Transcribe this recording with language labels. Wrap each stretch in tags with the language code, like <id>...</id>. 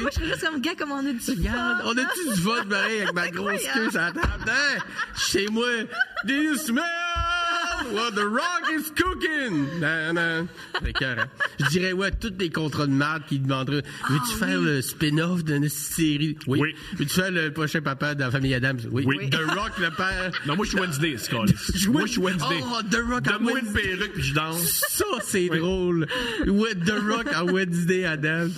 <fr>Moi, je suis juste comme gars, comme on a du fun. Regarde, on a-tu du fun, pareil, avec ma grosse queue sur la table? Hein? Chez moi,</fr> <en>do you smell what the Rock is cooking?</en> <fr>Non, non. C'est cœur, hein? Je dirais, ouais, tous les contrats de marde qui demanderaient, veux-tu faire le spin-off d'une série? Oui. Oui. Veux-tu faire le prochain papa dans Famille Adams? Oui. Oui. The Rock, le père. Non, moi, je suis Wednesday, Scarlett. Moi, je suis Wednesday. Oh, The Rock Donne-moi une perruque, puis je danse. Ça, c'est drôle. Ouais, The Rock à Wednesday, Adams.</fr>